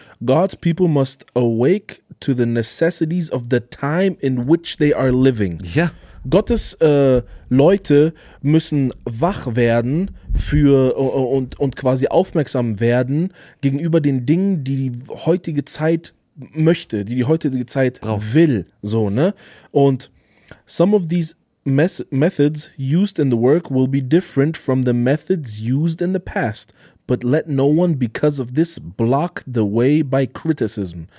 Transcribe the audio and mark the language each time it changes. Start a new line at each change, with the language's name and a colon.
English: God's people must awake to the necessities of the time in which they are living.
German: Ja. Gottes Leute müssen wach werden für und quasi aufmerksam werden gegenüber den Dingen, die die heutige Zeit möchte, die die heutige Zeit will. So, ne?
English: Und some of these methods used in the work will be different from the methods used in the past. But let no one because of this block the way by criticism.